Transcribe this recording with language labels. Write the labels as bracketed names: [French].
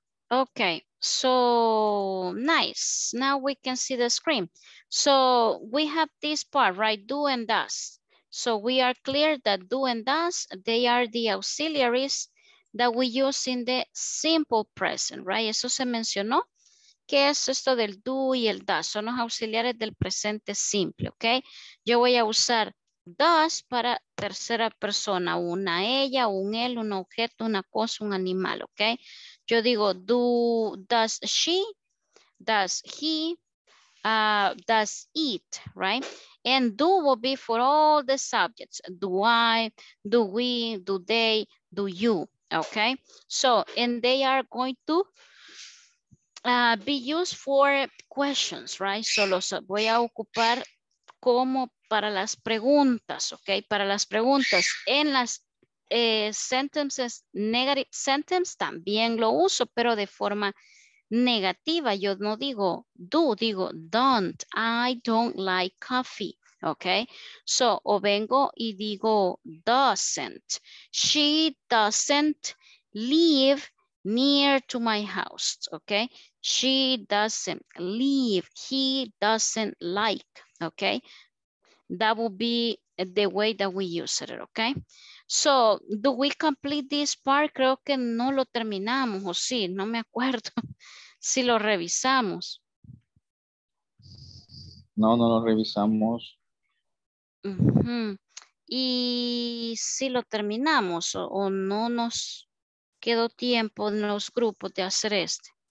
[English] Okay, so nice. Now we can see the screen. So we have this part, right? Do and does. So we are clear that do and does, they are the auxiliaries that we use in the simple present, right? [Spanish] Eso se mencionó. ¿Qué es esto del do y el does? Son los auxiliares del presente simple, okay? Yo voy a usar does para tercera persona, una ella, un él, un objeto, una cosa, un animal, okay? Yo digo, [English] do, does she, does he, does it, right? And do will be for all the subjects. Do I, do we, do they, do you, okay? So, and they are going to be used for questions, right? [Spanish] So, los voy a ocupar como para las preguntas, okay? Para las preguntas en las sentences, negative sentence también lo uso, pero de forma negativa. Yo no digo [English] do, digo don't. I don't like coffee. Okay. [Spanish] So, o vengo y digo doesn't. [English] She doesn't live near to my house. Okay. She doesn't live. He doesn't like. Okay. That will be the way that we use it. Okay. So, do we complete this part? [Spanish] Creo que no lo terminamos, o sí, no me acuerdo si lo revisamos. No, no lo revisamos. Uh-huh. Y si lo terminamos o no nos quedó tiempo en los grupos de hacer este.